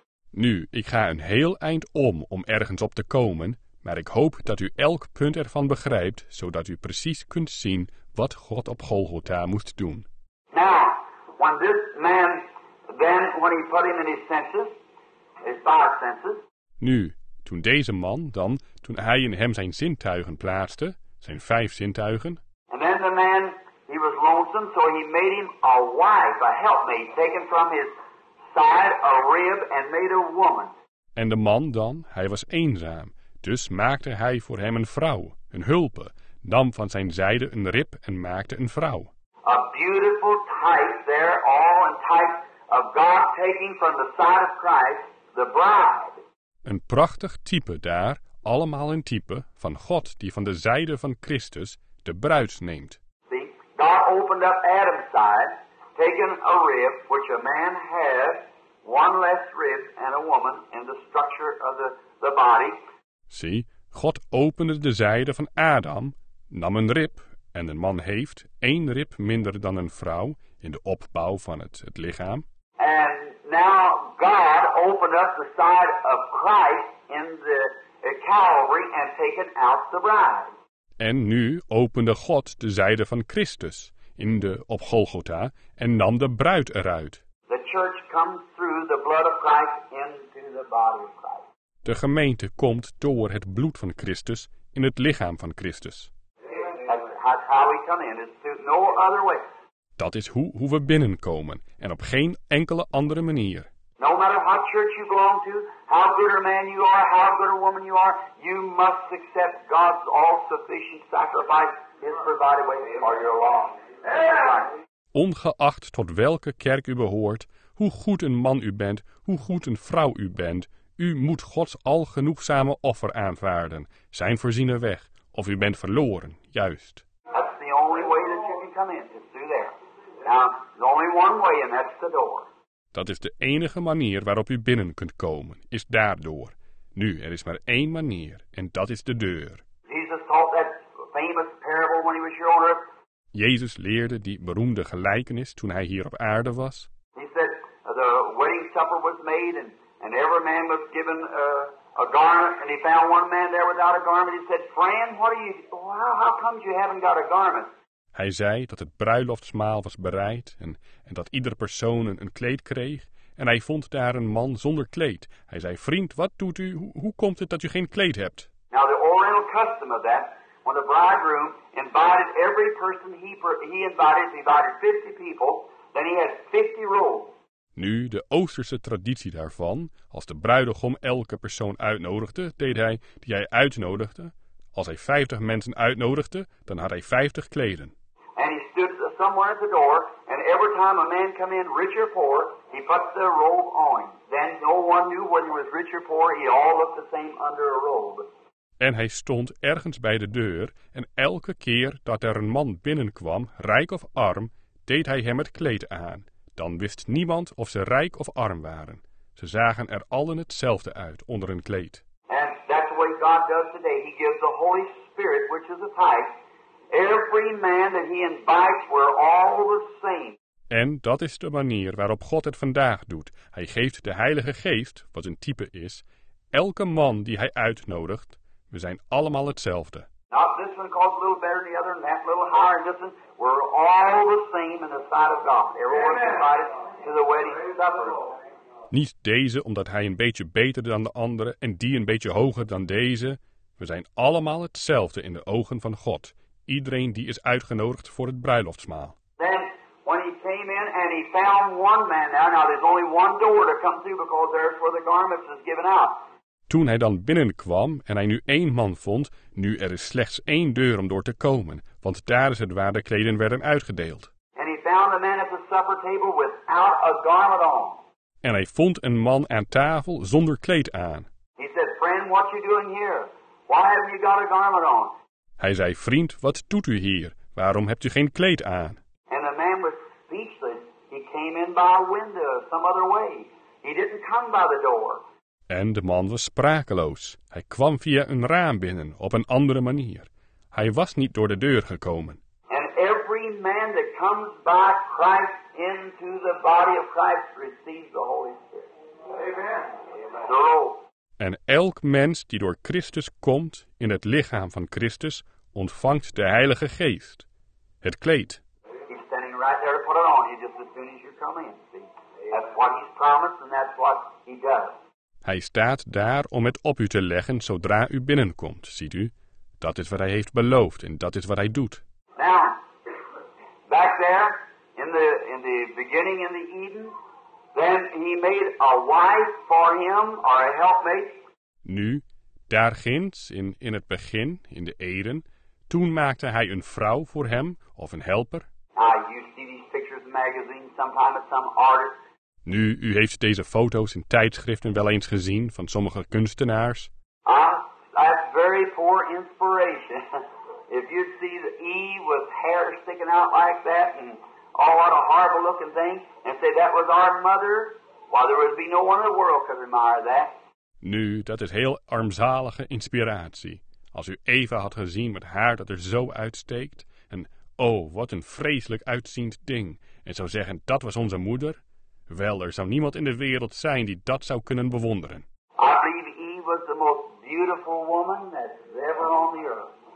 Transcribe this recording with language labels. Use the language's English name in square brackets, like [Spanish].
[Dutch] Nu, ik ga een heel eind om ergens op te komen, maar ik hoop dat u elk punt ervan begrijpt, zodat u precies kunt zien wat God op Golgotha moest doen. [English] Now, when this man, then when he put him in his senses, his five senses. [Dutch] Nu, toen deze man dan, toen hij in hem zijn zintuigen plaatste, zijn vijf zintuigen. [English] And then the man, he was lonesome, so he made him a wife, a helpmate, taken from his side a rib and made a woman. [Dutch] En de man dan, hij was eenzaam, dus maakte hij voor hem een vrouw, een hulpe, nam van zijn zijde een rib en maakte een vrouw. [English] A beautiful type there, all in type of God taking from the side of Christ the bride. [Dutch] Een prachtig type daar, allemaal een type van God die van de zijde van Christus de bruid neemt. [English] See, God opened up Adam's side, taken a rib which a man had, one less rib and a woman in the structure of the body. [Dutch] See, God opende de zijde van Adam, nam een rib. En een man heeft één rib minder dan een vrouw in de opbouw van het lichaam. [English] And now God opened up the side of Christ in the Calvary and taken out the bride. [Dutch] En nu opende God de zijde van Christus in de op Golgotha en nam de bruid eruit. [English] The church comes through the blood of Christ into the body of Christ. [Dutch] De gemeente komt door het bloed van Christus in het lichaam van Christus. [English] That's how we come in. It's through no other way. [Dutch] Dat is hoe we binnenkomen en op geen enkele andere manier. [English] No matter what church you belong to, how good a man you are, how good a woman you are, you must accept God's all-sufficient sacrifice, His provided way, or you're lost. [Dutch] Ongeacht tot welke kerk u behoort, hoe goed een man u bent, hoe goed een vrouw u bent, u moet Gods algenoegzame offer aanvaarden, zijn voorziene weg. Of u bent verloren, juist. [English] That's the only way that you can come in, is through there. Now, there's only one way, and that's the door. [Dutch] Dat is de enige manier waarop u binnen kunt komen, is daardoor. Nu, er is maar één manier, en dat is de deur. [English] Jesus taught that famous parable when he was here on earth. [Dutch] Jezus leerde die beroemde gelijkenis toen hij hier op aarde was. [English] He said, the wedding supper was made, and every man was given a garment, and he found one man there without a garment. He said, friend, how come you haven't got a garment? [Dutch] Hij zei dat het bruiloftsmaal was bereid en dat ieder persoon een kleed kreeg. en hij vond daar een man zonder kleed. Hij zei, vriend, wat doet u? Hoe komt het dat u geen kleed hebt? [English] Now the oriental custom of that, when the bridegroom invited every person he invited 50 people, then he had 50 roles. [Dutch] Nu, de Oosterse traditie daarvan, als de bruidegom elke persoon uitnodigde, deed hij die hij uitnodigde. Als hij 50 mensen uitnodigde, dan had hij 50 kleden. [English] And he stood somewhere at the door, and every time a man come in, rich or poor, he put the robe on him. Then no one knew whether he was rich or poor, he all looked the same under a robe. [Dutch] En hij stond ergens bij de deur, en elke keer dat er een man binnenkwam, rijk of arm, deed hij hem het kleed aan. Dan wist niemand of ze rijk of arm waren. Ze zagen er allen hetzelfde uit onder hun kleed. [English] And that's the way God does today. He gives the Holy Spirit, which is a type. Every man that he invites, we're all the same. [Dutch] En dat is de manier waarop God het vandaag doet. Hij geeft de Heilige Geest, wat een type is, elke man die hij uitnodigt, we zijn allemaal hetzelfde. [English] Not this one calls a little better than the other, and that little higher than this one. We're all the same in the sight of God. Everyone's invited to the wedding supper. [Dutch] Niet deze omdat hij een beetje beter dan de andere en die een beetje hoger dan deze. We zijn allemaal hetzelfde in de ogen van God. Iedereen die is uitgenodigd voor het bruiloftsmaal. [English] Then when he came in and he found one man. Now there's only one door to come through because there's where the garments is given out. [Dutch] Toen hij dan binnenkwam en hij nu één man vond, nu er is slechts één deur om door te komen, want daar is het waar de kleden werden uitgedeeld. [English] And he found a man at the supper table without a garment on. [Dutch] En hij vond een man aan tafel zonder kleed aan. [English] He said, friend, what are you doing here? Why have you got a garment on? [Dutch] Hij zei, vriend, wat doet u hier? Waarom hebt u geen kleed aan? [English] And the man was speechless. He came in by a window or some other way. He didn't come by the door. [Dutch] En de man was sprakeloos. Hij kwam via een raam binnen, op een andere manier. Hij was niet door de deur gekomen. [English] And every man that comes by Christ into the body of Christ receives the Holy Spirit. Amen. The robe. [Dutch] En elk mens die door Christus komt in het lichaam van Christus ontvangt de Heilige Geest. Het kleed. [English] He's standing right there to put it on you just as soon as you come in. See? That's what he's promised and that's what he does. [Dutch] Hij staat daar om het op u te leggen zodra u binnenkomt, ziet u? Dat is wat hij heeft beloofd en dat is wat hij doet. [English] Now, back there, in the beginning in the Eden, then he made a wife for him, or a helpmate. [Dutch] Nu, daar ginds, in het begin, in de Eden, toen maakte hij een vrouw voor hem, of een helper. [English] You see these pictures in magazines sometimes of some artist. [Dutch] Nu, u heeft deze foto's in tijdschriften wel eens gezien van sommige kunstenaars. [English] That's very poor inspiration. If you see the E with hair sticking out like that and all what a horrible looking thing, and say that was our mother, why there would be no one in the world could admire that. [Dutch] Nu, dat is heel armzalige inspiratie. Als u Eva had gezien met haar dat er zo uitsteekt, en oh, wat een vreselijk uitziend ding, en zou zeggen dat was onze moeder. Wel, er zou niemand in de wereld zijn die dat zou kunnen bewonderen. [English] I believe Eve was the most beautiful woman that's ever on the earth.